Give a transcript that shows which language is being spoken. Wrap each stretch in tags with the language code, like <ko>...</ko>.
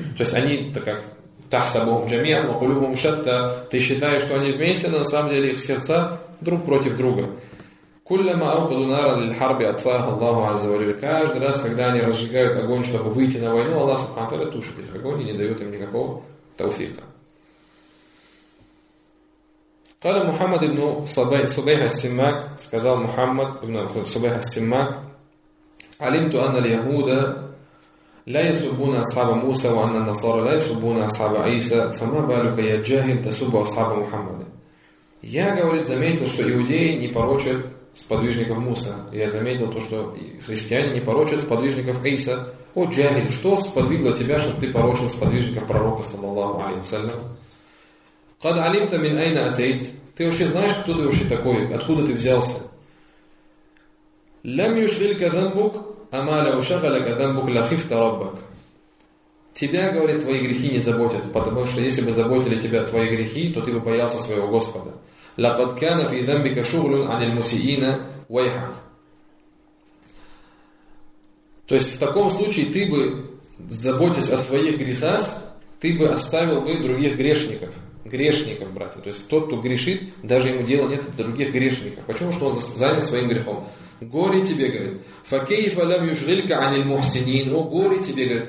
<ru>То есть они так как</ru> <ar>тахсабум джамиа, но кулюбум шатта,</ar> <ru>ты считаешь, что они вместе, но на самом деле их сердца друг против друга.</ru> <ar>Куллама аркуду нара лил харби атфаха Аллаху азза ва джалла.</ar> <ru>Каждый раз, когда они разжигают огонь, чтобы выйти на войну, Аллах субхана ва тааля тушит их огонь и не дает им никакого тауфика.</ru> <ar>قال محمد بن صبيح السماك</ar> <ru>сказал</ru> <ar>محمد بن صبيح السماك علمت أن اليهود لا يسبون أصحاب موسى وأن النصارى لا يسبون أصحاب عيسى فما بالك يا جاهل تسب أصحاب محمد.</ar> <ru>Я, говорит, заметил, что иудеи не порочат сподвижников Муса. Я заметил то, что христиане не порочат сподвижников Иса. О джахиль, что сподвигло тебя, чтобы ты порочил сподвижников пророка саллаллаху алейхи ва саллям?</ru> <ar>قد علمت من أين أتيت.</ar> <ru>Ты вообще знаешь, кто ты вообще такой, откуда ты взялся?</ru> <ar>لم يشغلك ذنبك أما لو شغلك ذنبك لخفت ربك.</ar> <ru>Тебя, говорит, твои грехи не заботят, потому что если бы заботили тебя твои грехи, то ты бы боялся своего Господа.</ru> <ar>لقد كان في ذنبك شغل عن المسيئين ويحك.</ar> <ru>То есть в таком случае ты бы, заботясь о своих грехах, ты бы оставил бы других грешников. Грешников, братья. То есть тот, кто грешит, даже ему дела нет других грешников. Почему? Что он занят своим грехом. Горе тебе, говорит.</ru> <ar>Факейфа лям юшгилька анил мухсинин.</ar> <ru>О, горе тебе, говорит.</ru>